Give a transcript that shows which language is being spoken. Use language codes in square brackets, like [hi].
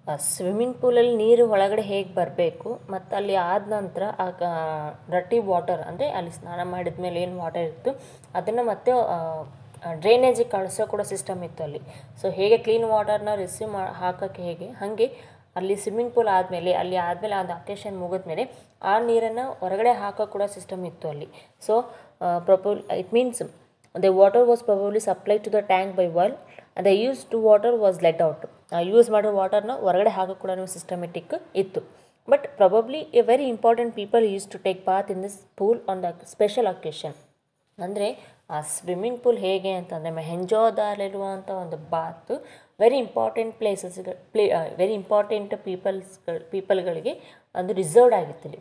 [kn] Swimming ಪೂಲಲ್ಲಿ ನೀರು ಒಳಗಡೆ ಹೇಗೆ ಬರಬೇಕು ಮತ್ತು ಅಲ್ಲಿ ಆದ ನಂತರ ಆ ರಟ್ಟಿ ವಾಟರ್ ಅಂದರೆ ಅಲ್ಲಿ ಸ್ನಾನ ಮಾಡಿದ ಮೇಲೆ ಏನು ವಾಟರ್ ಇತ್ತು ಅದನ್ನು ಮತ್ತೆ ಡ್ರೈನೇಜಿಗೆ ಕಳಿಸೋ ಕೂಡ ಸಿಸ್ಟಮ್ ಇತ್ತು ಅಲ್ಲಿ. ಸೊ ಹೇಗೆ ಕ್ಲೀನ್ ವಾಟರ್ನ ರಿಸೀವ್ ಹಾಕೋಕ್ಕೆ ಹೇಗೆ, ಹಾಗೆ ಅಲ್ಲಿ ಸ್ವಿಮ್ಮಿಂಗ್ ಪೂಲ್ ಆದಮೇಲೆ ಅಲ್ಲಿ ಆದಮೇಲೆ ಒಂದು ಅಕೇಶನ್ ಮುಗಿದ್ಮೇಲೆ ಆ ನೀರನ್ನು ಹೊರಗಡೆ ಹಾಕೋ ಕೂಡ ಸಿಸ್ಟಮ್ ಇತ್ತು ಅಲ್ಲಿ. So [en] probably it means the water was probably supplied to the tank by well and the used water was let out. [kn] Use ಮಾಡೋ ವಾಟರ್ನ ಹೊರಗಡೆ ಹಾಕೋಕ್ಕೂಡ ಸಿಸ್ಟಮೆಟಿಕ್ ಇತ್ತು. [en] But probably a very important people use to take bath in this pool on the special occasion. [kn] ಅಂದರೆ ಆ swimming pool ಹೇಗೆ ಅಂತಂದರೆ ಮೆಹೆಂಜೋದಾರಲ್ಲಿರುವಂಥ ಒಂದು Baat very important very important ಪೀಪಲ್ಗಳಿಗೆ ಒಂದು reserved ಆಗಿತ್ತು.